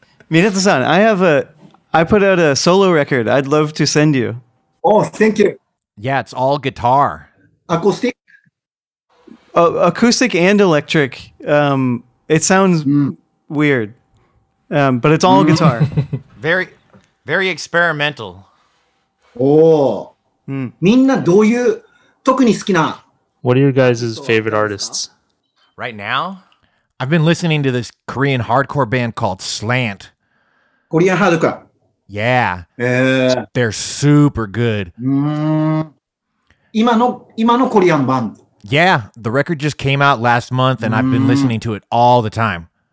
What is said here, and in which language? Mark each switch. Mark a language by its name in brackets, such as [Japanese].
[English] Minato-san, I put out a solo record I'd love to send you. Oh, thank you. Yeah, it's all guitar. Acoustic? Acoustic and electric. It sounds weird, but it's all guitar. Very... Very experimental. Oh. [Japanese] みんなどういう特に好きな? [English] What are your guys' favorite artists? Right now? I've been listening to this Korean hardcore band called Slant. Korean hardcore? Yeah. They're super good. Mm. Yeah, the record just came out last month and I've been listening to it all the time.